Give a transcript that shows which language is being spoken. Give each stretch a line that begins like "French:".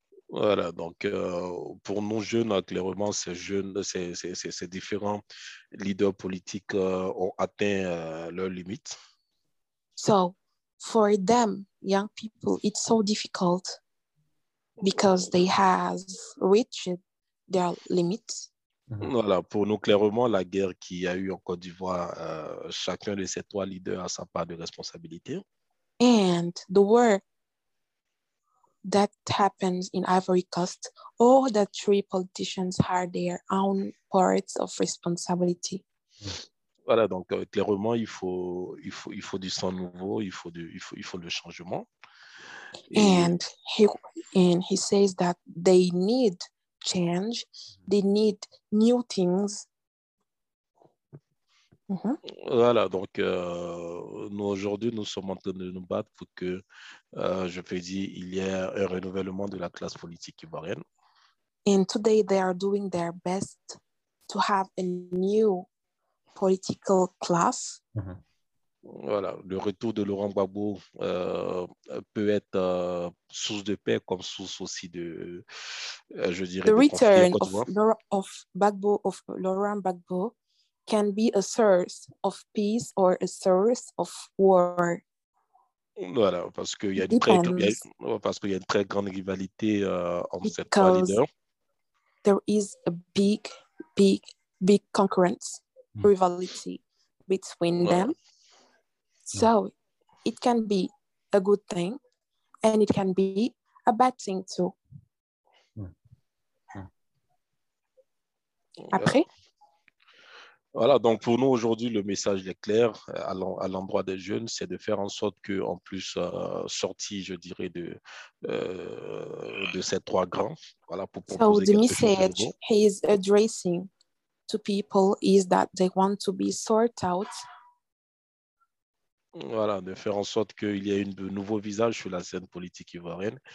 French: Voilà, donc pour nous jeunes, clairement, ces jeunes, ces différents leaders politiques ont atteint leurs limites.
English: So, for them, young people, it's so difficult because they have reached their limits.
French: Voilà, pour nous, clairement, la guerre qu'il y a eu en Côte d'Ivoire, chacun de ces trois leaders a sa part de responsabilité.
English: And the war that happens in Ivory Coast, all the three politicians have their own parts of responsibility.
French: Voilà, donc clairement, il faut du sang nouveau, il faut le changement.
English: And he says that they need change, they need new things. Mm-hmm.
French: Voilà, donc nous aujourd'hui, nous sommes en train de nous battre pour que, je peux dire, il y ait un renouvellement de la classe politique ivoirienne.
English: And today they are doing their best to have a new political class. Mm-hmm.
French: Voilà, le retour de Laurent Gbagbo peut être source de paix comme source aussi de, je dirais,
English: the return of Gbagbo, of Laurent Gbagbo, can be a source of peace or a source of war.
French: Voilà, parce qu'il y a une très grande rivalité entre ces trois leaders.
English: Because there is a big, big, big concurrence, rivalry between them. So it can be a good thing and it can be a bad thing too.
French: Après? Voilà, donc pour nous aujourd'hui, le message est clair à l'endroit des jeunes, c'est de faire en sorte que, en plus, sortis, je dirais, de ces trois grands, voilà, pour proposer quelque chose.
English: So the message he is addressing to people is that they want to be sorted out.
French: Voilà, de faire en sorte qu'il y ait de nouveaux visages sur la scène politique ivoirienne.